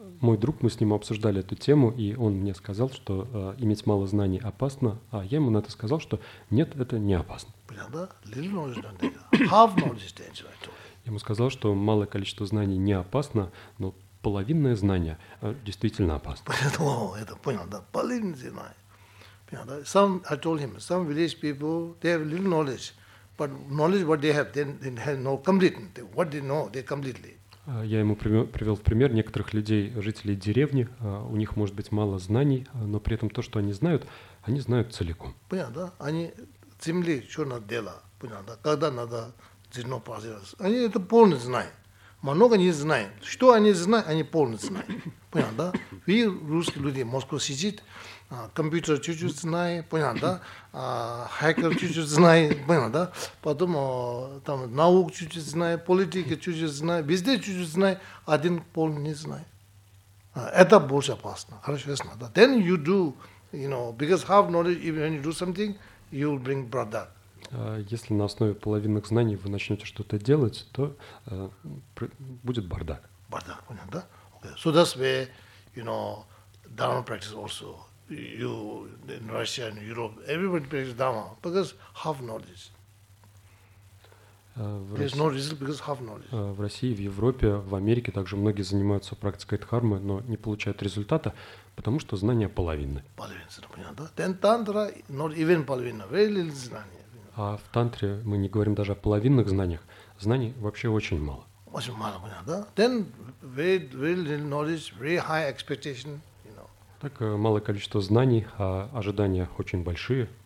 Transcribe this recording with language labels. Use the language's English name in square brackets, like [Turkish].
[Russian] Мой друг, мы с ним обсуждали эту тему, и он мне сказал, что иметь мало знаний опасно, а я ему на это сказал, что нет, это не опасно. Понятно? [English] Little knowledge, no danger. Half knowledge, danger. I told him. [Russian] Я ему сказал, что малое количество знаний не опасно, но половинное знание действительно опасно. Понял, это понял, да, половинное знание. Понял, да. [English] Some, I told him, some village people, they have little knowledge, but knowledge what they have, they have no complete. What they know, they completely. [Russian] Я ему привел в пример некоторых людей, жителей деревни. У них может быть мало знаний, но при этом то, что они знают целиком. Понял, да, они земли, что надо делать, понял, да, когда надо... Они это полностью знают. Много не знают. Что они знают, они полностью знают. Понятно, да? Вы, русские люди, Москва сидит, компьютер чуть-чуть знает, понятно, да? Хакер чуть-чуть знает, понятно, да? Потом там наук чуть-чуть знает, политика чуть-чуть знает, везде чуть-чуть знает, один полный не знает. Это больше опасно. Хорошо, ясно, да? [English] Then you do, you know, because half knowledge, even when you do something, you will bring brother. [Russian] Если на основе половинных знаний вы начнете что-то делать, то будет бардак. Бардак, понятно, да? Okay. [English] So that's where, you know, Dharma practice also. You in Russia and Europe, everybody practice Dharma because half knowledge. There's no result because half knowledge. [Russian] В России, в Европе, в Америке также многие занимаются практикой дхармы, но не получают результата, потому что знания половины. Половина, понятно, да? [English] Then Tantra not even [Russian] половина, [English] very little [Russian] знания. А в тантре мы не говорим даже о половинных знаниях. Знаний вообще очень мало. Очень мало, понятно, да? [English] Then very little knowledge, very high expectation, you know. [Russian] Так малое количество знаний, а ожидания очень большие.